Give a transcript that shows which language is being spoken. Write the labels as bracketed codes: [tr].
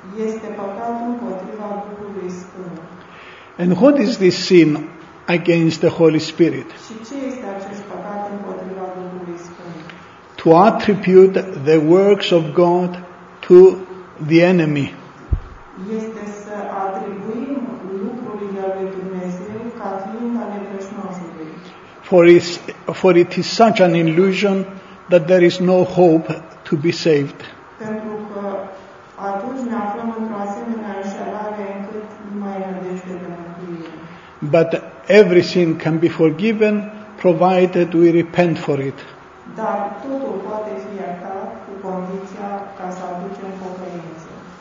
[ro] Este păcatul împotriva Duhului Sfânt. [en] And what is this sin against the Holy Spirit? [ro] Și ce este acest păcat împotriva Duhului Sfânt? [en] To attribute the works of God to the enemy. [ro] Este să atribuim lucrurile lui Dumnezeu ca fiind ale vrășmașului. [en] For it is such an illusion that there is no hope to be saved. [ro] Pentru că atunci ne aflăm într-o asemenea înșelare încât nu mai e nădejde de mântuire. [en] But every sin can be forgiven provided we repent for it. [ro] Dar totul poate fi iertat cu condiția ca să aducem pocăință.